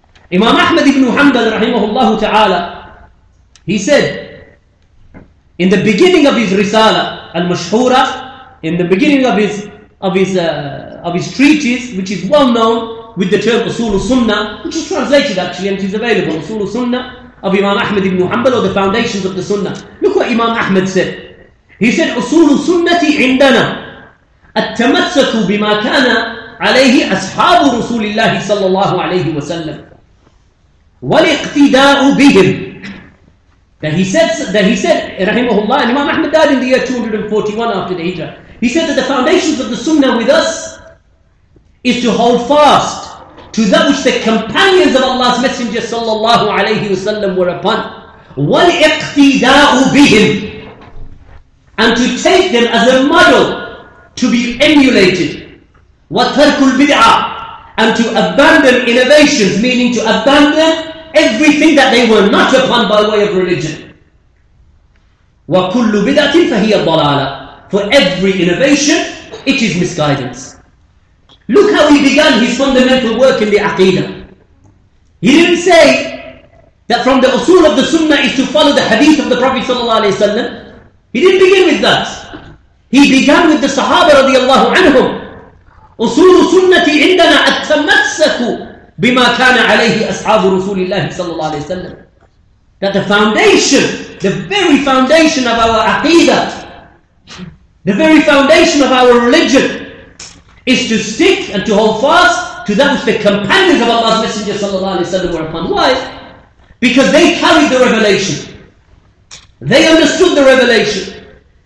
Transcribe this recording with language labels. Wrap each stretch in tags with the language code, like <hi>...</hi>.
<en>Imam Ahmad ibn Hanbal rahimahullah ta'ala, he said, in the beginning of his risala al-mashhura, in the beginning of his treatise, which is well known with the term Usul al-Sunnah, which is translated actually and it is available, Usul al-Sunnah of Imam Ahmad ibn Hanbal, or the foundations of the Sunnah. Look what Imam Ahmad said. He said,</en> <ar>أصول سنتي عندنا التمسك بما كان عليه أصحاب رسول الله صلى الله عليه وسلم والاقتداء بهم.</ar> <en>That he said, rahimahullah, and Imam Ahmad died in the year 241 after the Hijrah. He said that the foundations of the Sunnah with us is to hold fast to that which the companions of Allah's Messenger sallallahu alayhi wa sallam were upon.</en> <ar>وَالْإِقْتِدَاءُ بِهِمْ,</ar> <en>and to take them as a model to be emulated.</en> <ar>وَتَرْكُ الْبِدْعَى,</ar> <en>and to abandon innovations, meaning to abandon everything that they were not upon by way of religion.</en> <ar>وَكُلُّ بِدْعَةٍ فَهِيَ الضَّلَالَ,</ar> <en>for every innovation, it is misguidance. Look how he began his fundamental work in the Aqeedah. He didn't say that from the usul of the Sunnah is to follow the hadith of the Prophet sallallahu alaihi wasallam. He didn't begin with that. He began with the Sahaba radiallahu anhum.</en> <ar>أصول سنتي عندنا التمسك بما كان عليه أصحاب رسول الله صلى الله عليه وسلم.</ar> <en>That the foundation, the very foundation of our Aqeedah, the very foundation of our religion, is to stick and to hold fast to that which the companions of Allah's Messenger sallallahu alaihi wasallam were upon. Why? Because they carried the revelation. They understood the revelation.</en>